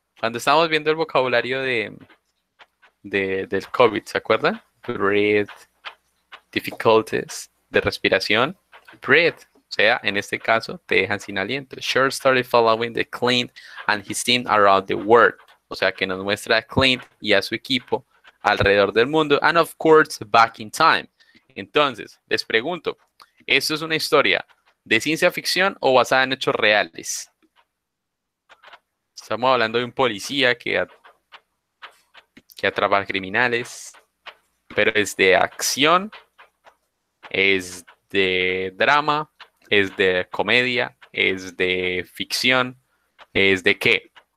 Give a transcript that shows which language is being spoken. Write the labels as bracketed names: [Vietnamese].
[Spanish] Cuando estábamos viendo el vocabulario del COVID, ¿se acuerdan? Breath. Difficulties de respiración. Breath. O sea, en este caso, te dejan sin aliento. [English] Short story following the Clint and his team around the world. [Spanish] O sea, que nos muestra a Clint y a su equipo alrededor del mundo. [English] And of course, back in time. [Spanish] Entonces, les pregunto, ¿esto es una historia de ciencia ficción o basada en hechos reales? Estamos hablando de un policía que atrapa a criminales, pero es de acción, es de drama, es de comedia, es de ficción, ¿es de qué?